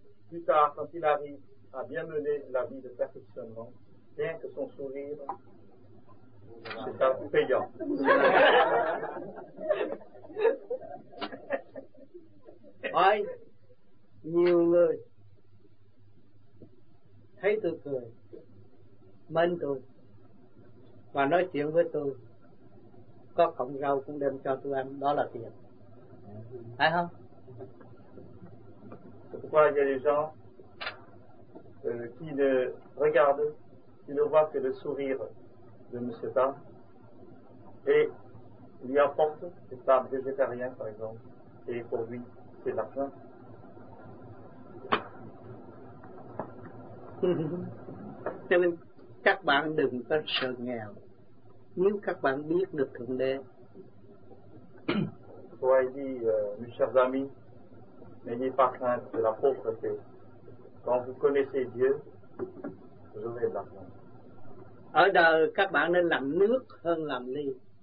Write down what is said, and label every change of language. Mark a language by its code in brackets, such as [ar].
[fr] Plus tard, quand il arrive à bien mener la vie de perfectionnement, rien que son sourire, c'est un peu payant. [vi] Ôi, nhiều người thấy tôi cười, mến tôi và nói chuyện với tôi, có cọng rau cũng đem cho tôi ăn, đó là tiền, phải không? [fr] Pourquoi il y a des gens qui ne regardent, qui ne voient que le sourire de Monsieur Tam et lui apporte des plats végétariens par exemple, et pour lui c'est l'argent. [vi] Cho nên các bạn đừng có sợ nghèo. Nếu các bạn biết được Thượng Đế. [fr] Soyez dit, mes chers amis, n'ayez pas crainte de la pauvreté. Quand vous connaissez Dieu, vous aurez de l'argent. [vi] Ở đời các bạn nên làm nước hơn làm ly.